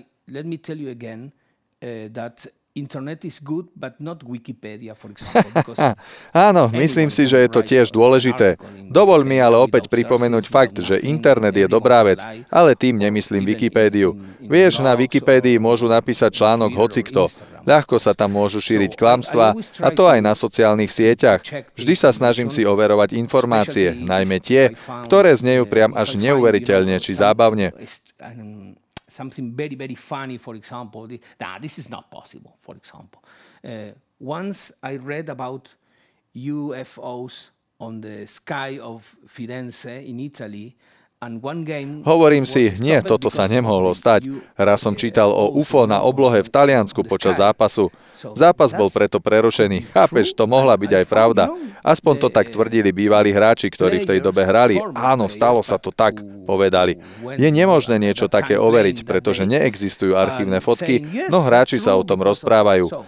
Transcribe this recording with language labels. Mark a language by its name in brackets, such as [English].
[English] Let me tell you again that internet is good, but not Wikipedia, for example. [Slovak] Áno, myslím si, že je to tiež dôležité. Dovol mi ale opäť pripomenúť fakt, že internet je dobrá vec, ale tým nemyslím Wikipédiu. Vieš, na Wikipédii môžu napísať článok hocikto. Ľahko sa tam môžu šíriť klamstvá, a to aj na sociálnych sieťach. Vždy sa snažím si overovať informácie, najmä tie, ktoré znejú priam až neuveriteľne či zábavne. [English] Something very, very funny, for example. This is not possible, for example. Once I read about UFOs on the sky of Firenze in Italy. [Slovak] Hovorím si, nie, toto sa nemohlo stať. Raz som čítal o UFO na oblohe v Taliansku počas zápasu. Zápas bol preto prerušený. Chápeš, to mohla byť aj pravda. Aspoň to tak tvrdili bývalí hráči, ktorí v tej dobe hrali. Áno, stalo sa to tak, povedali. Je nemožné niečo také overiť, pretože neexistujú archívne fotky, no hráči sa o tom rozprávajú.